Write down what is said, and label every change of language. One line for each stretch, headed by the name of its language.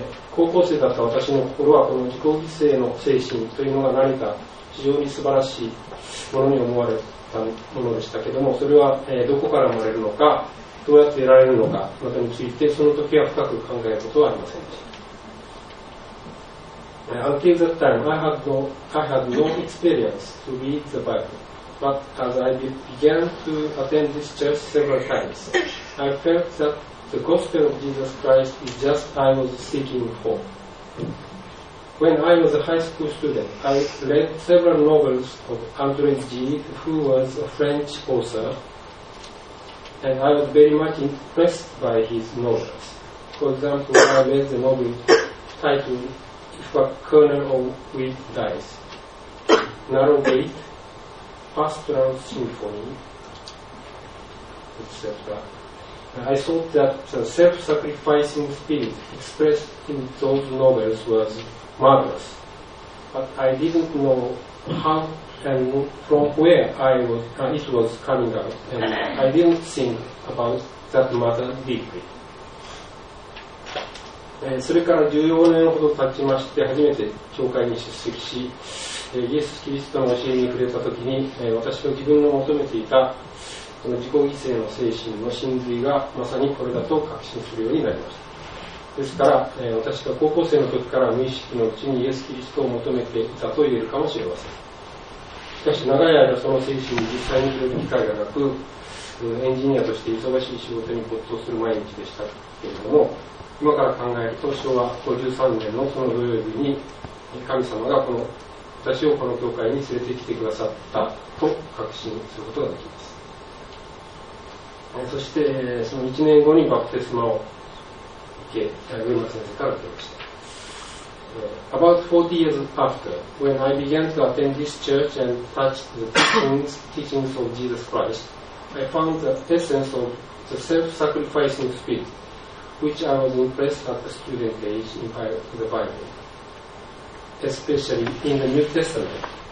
Japanese: 高校生だった私の心は、この自己犠牲の精神というのが何か非常に素晴らしいものに思われたものでしたけれども、それは、どこから生まれるのか、どうやって得られるのかなどについて、その時は深く考えることはありませんでした。
English: Until that time, I had no experience to read the Bible. But as I began to attend this church several times, I felt that the gospel of Jesus Christ is just what I was seeking for. When I was a high school student, I read several novels of André Gide, who was a French author, and I was very much impressed by his novels. For example, I read the novel titledIf a kernel of wheat dies, Narrow Gate, Pastoral Symphony, etc. I thought that the self-sacrificing spirit expressed in those novels was marvelous, but I didn't know how and from where it was coming out, and I didn't think about that matter deeply.
Japanese: それから14年ほど経ちまして、初めて教会に出席し、イエス・キリストの教えに触れたときに、私が自分の求めていたこの自己犠牲の精神の真髄がまさにこれだと確信するようになりました。ですから、私が高校生の時から無意識のうちにイエス・キリストを求めていたと言えるかもしれません。しかし長い間その精神に実際に触れる機会がなく、エンジニアとして忙しい仕事に没頭する毎日でしたけれども、今から考えると昭和53年のその土曜日に神様がこの私をこの教会に連れてきてくださったと確信することができます。そしてその1年後にバプテスマを受け、上間先生から受けました。
English: About 40 years after, when I began to attend this church and touch the teachings of Jesus Christ, I found the essence of the self-sacrificing spirit, which I was impressed at the student age in the Bible, especially in the New Testament.